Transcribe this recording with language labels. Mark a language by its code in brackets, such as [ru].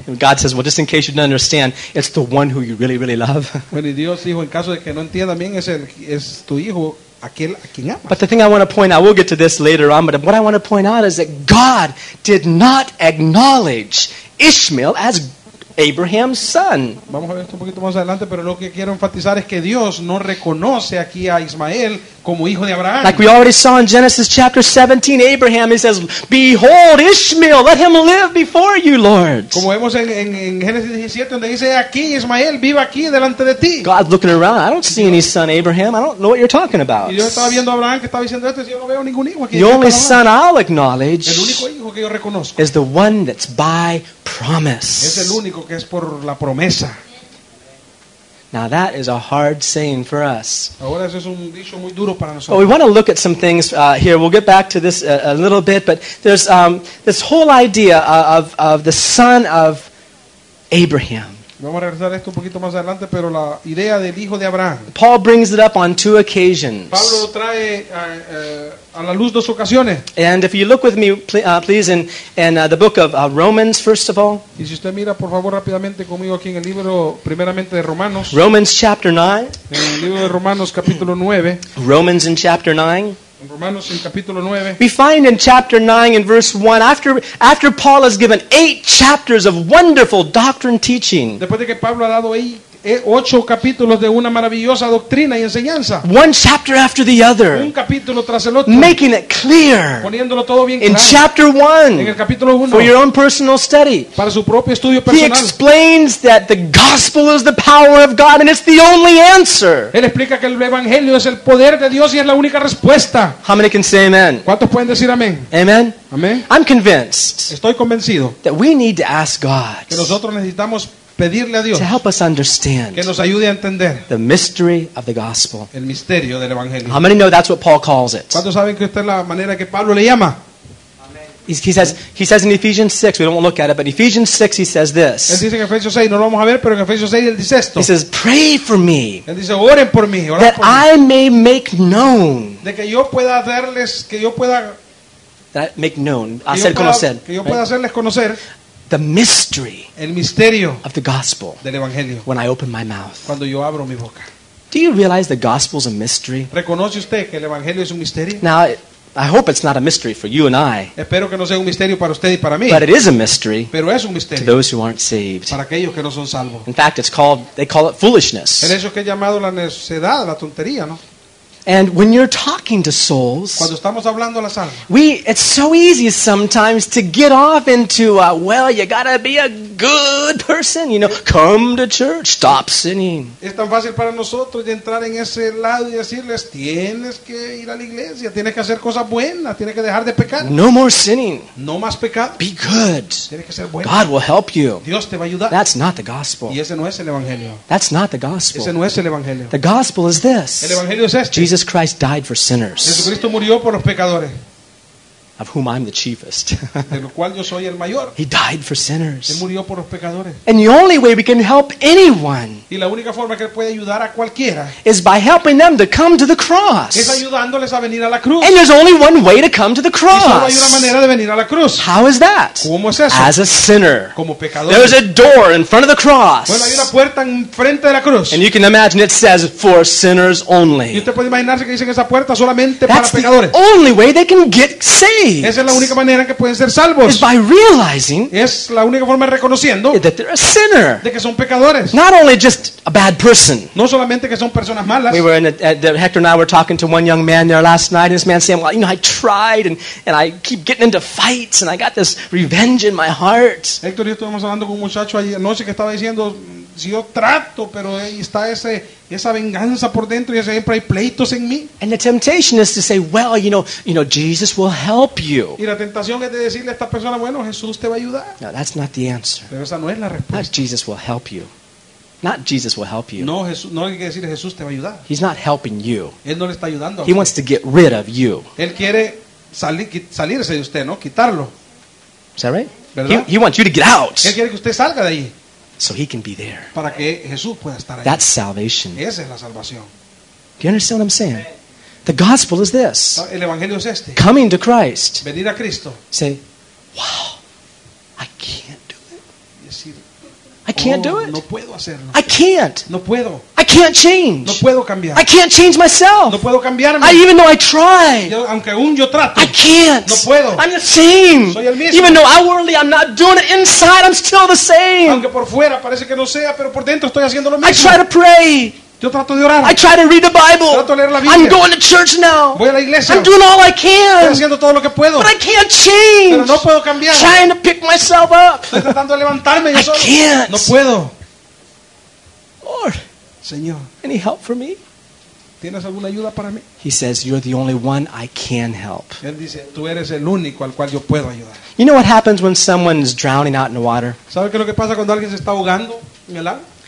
[en] And God says, well, just in case you don't understand, it's the one who you really, really love. [es] Bueno, Dios dijo, en caso de que no entienda bien, es tu hijo. [en] But the thing I want to point out, we'll get to this later on, but what I want to point out is that God did not acknowledge Ishmael as Abraham's son. [es] Vamos a ver esto un poquito más adelante, pero lo que quiero enfatizar es que Dios no reconoce aquí a Ismael como hijo de Abraham. [en] Like we already saw in Genesis chapter 17, Abraham, he says, behold Ishmael, let him live before you, Lord. [es] Como vemos en Génesis 17, donde dice, aquí Ismael, viva aquí delante de ti. [en] God's looking around, I don't see any son, Abraham, I don't know what you're talking about. [es] Y yo estaba viendo a Abraham que estaba diciendo esto, y yo no veo ningún hijo aquí. [en] The only son I'll acknowledge, [es] el único hijo que yo reconozco, [en] is the one that's by promise. [es] Es el único que es por la promesa. [en] Now that is a hard saying for us. [es] Ahora eso es un dicho muy duro para nosotros. [en] Well, we want to look at some things here. We'll get back to this a little bit, but there's this whole idea of the son of Abraham. [es] Vamos a regresar a esto un poquito más adelante, pero la idea del hijo de Abraham. [en] Paul brings it up on two occasions. [es] Pablo trae a la luz dos ocasiones. [en] And if you look with me, please, in the book of Romans, first of all. [es] Y si usted mira, por favor, rápidamente conmigo aquí en el libro, primeramente de Romanos. [en] Romans chapter 9. [es] En el libro de Romanos, capítulo 9. [en] Romans in chapter 9. [es] Romanos en capítulo 9. [en] We find in chapter 9 in verse 1 after Paul has given 8 chapters of wonderful doctrine teaching. [es] Después de que Pablo ha dado 8 capítulos de una maravillosa doctrina y enseñanza. [en] One chapter after the other. [es] Un capítulo tras el otro. [en] Making it clear. [es] Poniéndolo todo bien claro. [en] In chapter 1. [es] En el capítulo 1. [en] For your own personal study. [es] Para su propio estudio personal. [en] He explains that the gospel is the power of God and it's the only answer. [es] Él explica que el evangelio es el poder de Dios y es la única respuesta. [en] How many can say amen? [es] ¿Cuántos pueden decir amén? [en] Amen. [es] Amen. [en] I'm convinced. [es] Estoy convencido. [en] That we need to ask God. [es] Que nosotros necesitamos pedirle a Dios [en] to help us understand [es] que nos ayude a entender [en] the mystery of the gospel. [es] El misterio del evangelio. [en] How many know that's what Paul calls it? [es] ¿Cuántos saben que esta es la manera que Pablo le llama? [en] He says in Ephesians 6, we don't look at it, but Ephesians 6 he says this. [es] Él dice en Efesios 6, no lo vamos a ver, pero en Efesios 6 él dice esto. [en] He says, pray for me. [es] Él dice, oren por mí. [en] That [es] por [en] I [es] mí. [en] May make known. [es] De que yo pueda darles, que yo pueda [en] that make known, [es] hacer conocer. Que yo pueda right? hacerles conocer. [en] The mystery [es] el misterio [en] of the gospel [es] del evangelio. [en] When I open my mouth. [es] Cuando yo abro mi boca. [en] Do you realize the gospel is a mystery? [es] ¿Reconoce usted que el evangelio es un misterio? [en] Now, I hope it's not a mystery for you and I. [es] Espero que no sea un misterio para usted y para mí. [en] But it is a mystery. [es] Pero es un misterio [en] to those who aren't saved. [es] Para aquellos que no son salvos. [en] In fact, they call it foolishness. [es] En eso que he llamado la necedad, la tontería, ¿no? [en] And when you're talking to souls, [es] cuando estamos hablando a las almas, [en] it's so easy sometimes to get off into, you gotta be a good person, you know, come to church, stop sinning. [es] Es tan fácil para nosotros de entrar en ese lado y decirles, tienes que ir a la iglesia, tienes que hacer cosas buenas, tienes que dejar de pecar. [en] No more sinning. [es] No más pecado. [en] Be good. [es] Tienes que ser bueno. [en] God will help you. [es] Dios te va a ayudar. [en] That's not the gospel. [es] Y ese no es el evangelio. [en] That's not the gospel. [es] Ese no es el evangelio. [en] The gospel is this. [es] El evangelio es este. [en] Jesus Christ died for sinners. [es] Jesucristo murió por los pecadores. [en] Of whom I'm the chiefest. [es] De lo cual yo soy el mayor. [en] He died for sinners. [es] Él murió por los pecadores. [en] And the only way we can help anyone. [es] Y la única forma que puede ayudar a cualquiera. [en] Is by helping them to come to the cross. [es] Es ayudándoles a venir a la cruz. [en] And there's only one way to come to the cross. [es] Y solo hay una manera de venir a la cruz. [en] How is that? [es] ¿Cómo es eso? [en] As a sinner. [es] Como pecador. [en] There's a door in front of the cross. [es] Bueno, hay una puerta en frente de la cruz. [en] And you can imagine it says for sinners only. [es] Y usted puede imaginarse que dicen esa puerta solamente [en] That's [es] para pecadores. [en] The only way they can get saved. [es] Esa es la única manera que pueden ser salvos. [en] Is by realizing [es] es la única forma de reconociendo [en] that they're a sinner. [es] De que son pecadores. [en] Not only just a bad person. [es] No solamente que son personas malas. [en] We were in Hector and I were talking to one young man there last night. And this man saying, "Well, you know, I tried and I keep getting into fights and I got this revenge in my heart." [es] Hector y yo estuvimos hablando con un muchacho ayer anoche que estaba diciendo, "Si yo trato, pero ahí está ese esa venganza por dentro y siempre hay pleitos en mí." [en] And the temptation is to say, "Well, you know, Jesus will help you." [es] Y la tentación es de decirle a esta persona, "Bueno, Jesús te va a ayudar." [en] No, that's not the answer. [es] Pero esa no es la respuesta. [en] Not Jesus will help you. Not Jesus will help you. [es] No, Jesús, no hay que decir Jesús te va a ayudar. [en] He's not helping you. [es] Él no le está ayudando. [en] He wants to get rid of you. [es] Él quiere salirse de usted, ¿no? Quitarlo. [en] Is that right? [es] ¿Verdad? [en] He wants you to get out. [es] Él quiere que usted salga de ahí. [en] So he can be there. [es] Para que Jesús pueda estar ahí. [en] That's salvation. [es] Esa es la salvación. [en] Do you understand what I'm saying? The gospel is this. [es] El evangelio es este. [en] Coming to Christ. [es] Venir a Cristo. [en] Say, "Wow, I can't do it." [es] Decir, [en] I can't do it. [es] No puedo hacerlo. [en] I can't. [es] No puedo. [en] I can't change. [es] No puedo cambiar. [en] I can't change myself. [es] No puedo cambiarme. [en] I even though I try. [es] Yo, aunque aún yo trato. [en] I can't. [es] No puedo. [en] I'm the same. [es] Soy el mismo. [en] Even though outwardly I'm not doing it, inside I'm still the same. [es] Aunque por fuera parece que no sea, pero por dentro estoy haciendo lo mismo. [en] I try to pray. [es] Yo trato de orar. [en] I try to read the Bible. [es] Trato de leer la Biblia. [en] I'm going to church now. [es] Voy a la iglesia. [en] I'm doing all I can. [es] Estoy haciendo todo lo que puedo. [en] But I can't change. [es] Pero no puedo cambiar. [en] Trying to pick myself up. [es] Estoy tratando de levantarme yo solo. [en] I can't. [es] No puedo. [en] Lord. [es] Señor. [en] Any help for me? [es] ¿Tienes alguna ayuda para mí? [en] He says, "You're the only one I can help." [es] Él dice, tú eres el único al cual yo puedo ayudar. [en] You know what happens when someone is drowning out in the water? [es] ¿Sabes qué es lo que pasa cuando alguien se está ahogando en el agua?